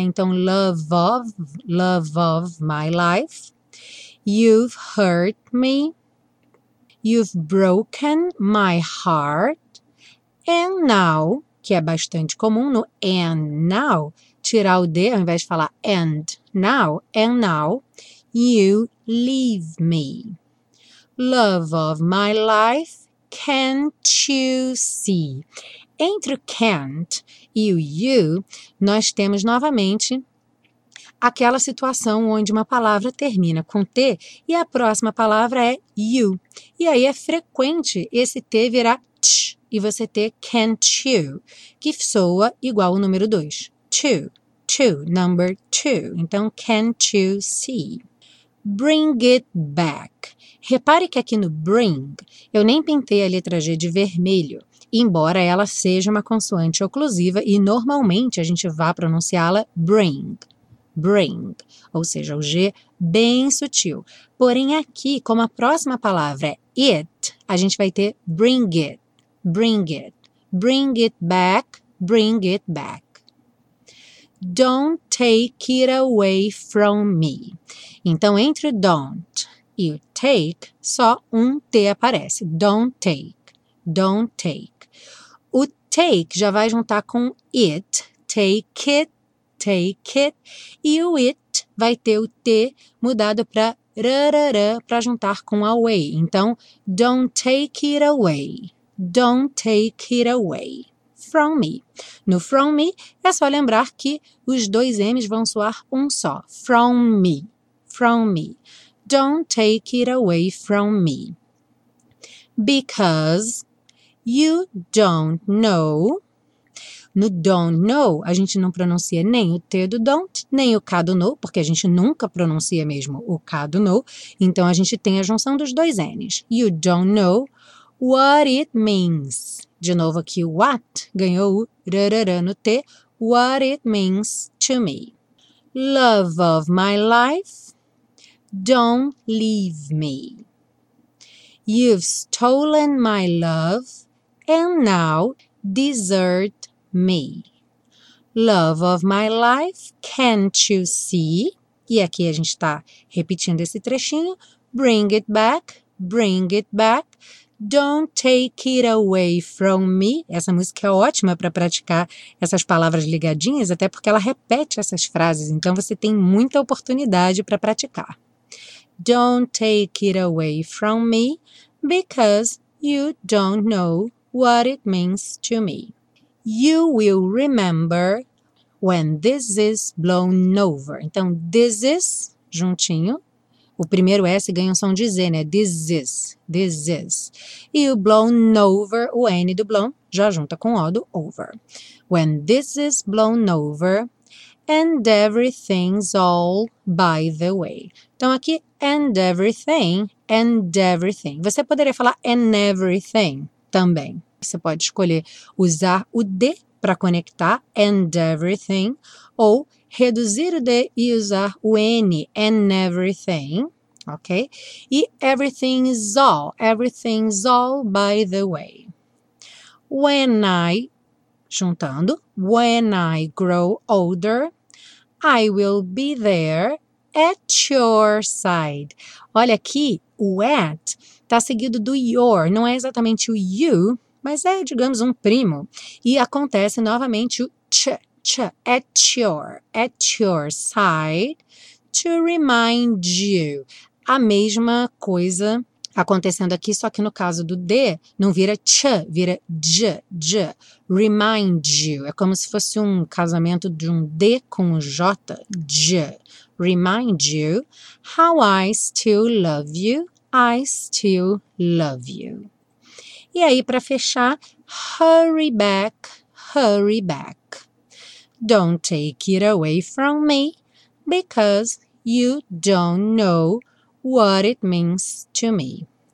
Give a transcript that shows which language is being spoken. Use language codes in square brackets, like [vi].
[en] Então, love of my life. You've hurt me. You've broken my heart. And now, [pt] que é bastante comum no and now, tirar o D ao invés de falar and, [en] now, and now, you leave me. Love of my life, can't you see? [pt] Entre o can't e o you, nós temos novamente aquela situação onde uma palavra termina com T e a próxima palavra é you. E aí é frequente esse T virar t e você ter [en] can't you, [pt] que soa igual o número 2. [en] Number 2. Então, can't you see? Bring it back. [pt] Repare que aqui no bring, eu nem pintei a letra G de vermelho, embora ela seja uma consoante oclusiva e normalmente a gente vá pronunciá-la bring. Bring, ou seja, o G bem sutil. Porém, aqui, como a próxima palavra é it, a gente vai ter [en] bring it, bring it, bring it back, [pt] bring it back. [en] Don't take it away from me. [pt] Então, entre don't e o take, só um T aparece. [en] Don't take, don't take. O take [pt] já vai juntar com [en] it, take it. Take it, [pt] e o it vai ter o T mudado para rarara para juntar com away. Então, [en] don't take it away, don't take it away from me. [pt] No [en] from me, é só lembrar que os dois M's vão soar um só, from me, [pt] don't take it away from me. [en] Because you don't know. [pt] No [en] don't know, [pt] a gente não pronuncia nem o T do don't, nem o K do know, porque a gente nunca pronuncia mesmo o K do know. Então, a gente tem a junção dos dois N's. [en] You don't know what it means. [pt] De novo aqui, what ganhou o rarara no T. [en] What it means to me. Love of my life, don't leave me. You've stolen my love, and now desert me. Love of my life, can't you see? [pt] E aqui a gente está repetindo esse trechinho. [en] Bring it back, bring it back. Don't take it away from me. [pt] Essa música é ótima para praticar essas palavras ligadinhas, até porque ela repete essas frases. Então, você tem muita oportunidade para praticar. [en] Don't take it away from me because you don't know what it means to me. You will remember when this is blown over. [pt] Então, [en] this is, [pt] juntinho. O primeiro S ganha um som de Z, né? [en] This is, this is. [pt] E o [en] blown over, [pt] o N do blown, já junta com o do over. [en] When this is blown over and everything's all by the way. [pt] Então, aqui, [en] and everything. [pt] Você poderia falar [en] and everything [pt] também. Você pode escolher usar o D para conectar and everything ou reduzir o D e usar o N, and everything, ok? [en] E everything's all by the way. When I, juntando, when I grow older, I will be there at your side. [pt] Olha aqui, o at está seguido do your, não é exatamente o you, mas é, digamos, um primo. E acontece novamente o [en] ch, ch, at your side, to remind you. [pt] A mesma coisa acontecendo aqui, só que no caso do D, não vira ch, vira j, j, [en] remind you. [pt] É como se fosse um casamento de um D com um J, j. [en] Remind you how I still love you, I still love you. [pt] E aí, para fechar, [en] hurry back, hurry back. Don't take it away from me, because you don't know what it means to me.